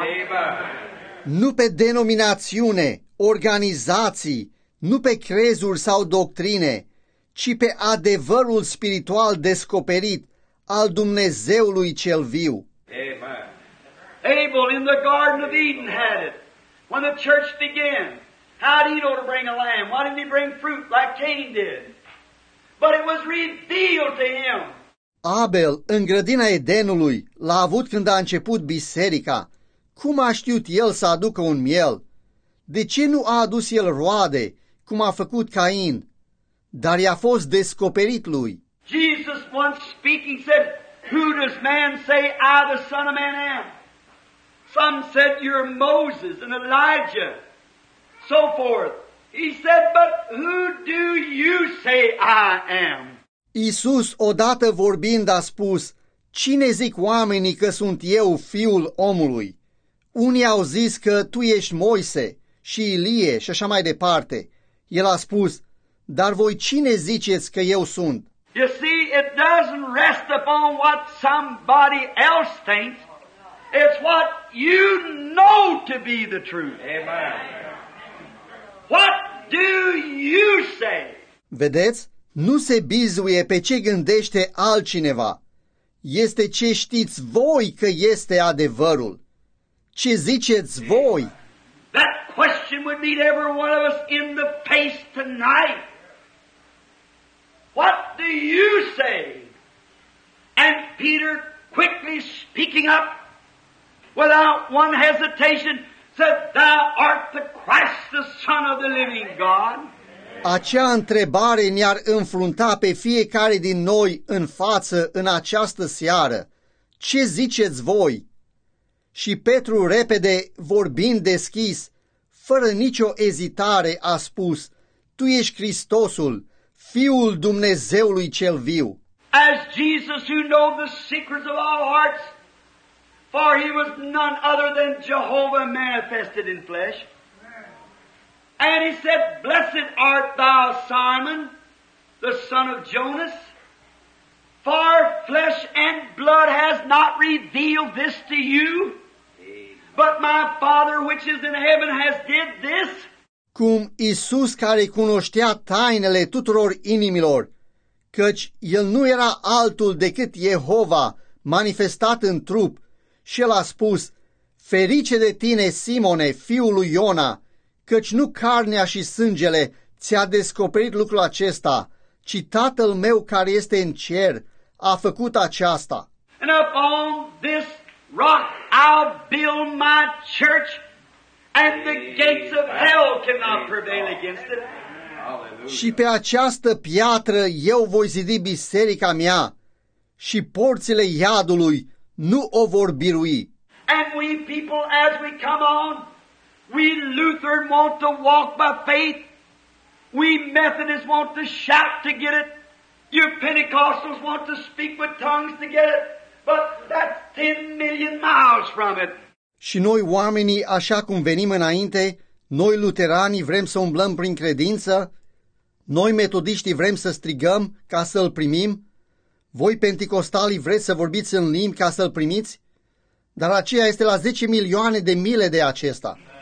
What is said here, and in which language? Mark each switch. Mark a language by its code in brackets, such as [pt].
[en] Amen. [ro] Nu pe denominațiune, organizații, nu pe crezuri sau doctrine, ci pe adevărul spiritual descoperit al Dumnezeului cel viu. [en] Abel in the Garden of Eden had it. When the church began, how did he know to bring a lamb? Why didn't he bring fruit like Cain did? But it was revealed to him. [ro] Abel, în grădina Edenului, l-a avut când a început biserica. Cum a știut el să aducă un miel? De ce nu a adus el roade, cum a făcut Cain? Dar i-a fost descoperit lui. [en] Jesus once speaking said, who does man say I the Son of Man am? Some said you're Moses and Elijah, so forth. He said, but who do you say I am? [ro] Iisus, odată vorbind, a spus, cine zic oamenii că sunt eu fiul omului? Unii au zis că tu ești Moise și Ilie și așa mai departe. El a spus, dar voi cine ziceți că eu sunt? [en] You see, it doesn't rest upon what somebody else thinks. It's what you know to be the truth. Amen. What do you say? [ro] Vedeți? Nu se bizuie pe ce gândește altcineva. Este ce știți voi că este adevărul. Ce ziceți voi? [en] That question would meet every one of us in the face tonight. What do you say? And Peter, quickly speaking up, without one hesitation, said, Thou art the Christ, the Son of the living God. [ro] Acea întrebare ne-ar înfrunta pe fiecare din noi în față în această seară. Ce ziceți voi? Și Petru, repede, vorbind deschis, fără nicio ezitare, a spus, Tu ești Hristosul, Fiul Dumnezeului cel viu. [en] As Jesus, who knows the secrets of our hearts, for he was none other than Jehovah manifested in flesh, and he said, Blessed art thou, Simon, the son of Jonas, for flesh and blood has not revealed this to you, but my Father which is in heaven has did this. [ro] Cum Iisus, care cunoștea tainele tuturor inimilor, căci el nu era altul decât Jehova manifestat în trup, și el a spus, Ferice de tine, Simone, fiul lui Iona, căci nu carnea și sângele ți-a descoperit lucrul acesta, ci Tatăl meu care este în cer a făcut aceasta. [en] And upon this rock I'll build my church, and the gates of hell cannot prevail against it. [ro] Și pe această piatră eu voi zidi biserica mea, și porțile iadului nu o vor birui. [en] And we people, as we come on, we Lutheran want to walk by faith. We Methodists want to shout to get it. You Pentecostals want to speak with tongues to get it. But that's 10 million miles from it. [ro] Și noi oamenii, așa cum venim înainte, noi luteranii vrem să umblăm prin credință, noi metodiștii vrem să strigăm ca să-L primim, voi pentecostalii vreți să vorbiți în limbi ca să-L primiți, dar aceea este la 10 milioane de mile de acesta.